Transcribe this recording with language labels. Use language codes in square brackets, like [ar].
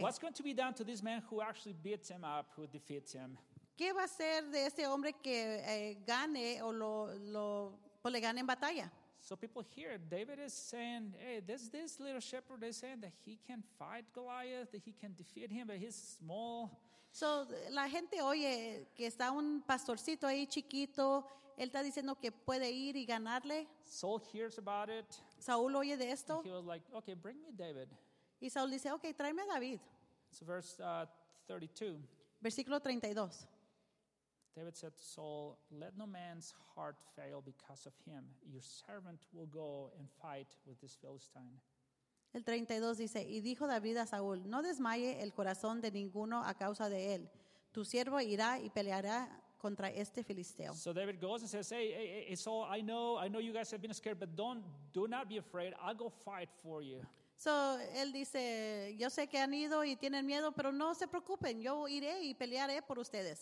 [en] What's going to be done to this man who actually beats him up, who defeats him? [es] ¿Qué va a ser de este hombre que gane o lo le gane en batalla? [en] So people hear David is saying, "Hey, this little shepherd is saying that he can fight Goliath, that he can defeat him, but he's small." [es] So la gente oye que está un pastorcito ahí chiquito. Él está diciendo que puede ir y ganarle. [en] Saul hears about it. [es] Saúl oye de esto. [en] He was like, "Okay, bring me David." [es] Y Saúl dice, "Okay, tráeme a David." [en] So verse 32. [es] Versículo 32. [en] David said to Saul, "Let no man's heart fail because of him. Your servant will go and fight with this Philistine." [es] El 32 dice, y dijo David a Saúl, "No desmaye el corazón de ninguno a causa de él. Tu siervo irá y peleará contra este filisteo." [en] So David goes and says, "Hey, Saul, I know you guys have been scared, but do not be afraid. I'll go fight for you." [es] So él dice, yo sé que han ido y tienen miedo, pero no se preocupen, yo iré y pelearé por ustedes.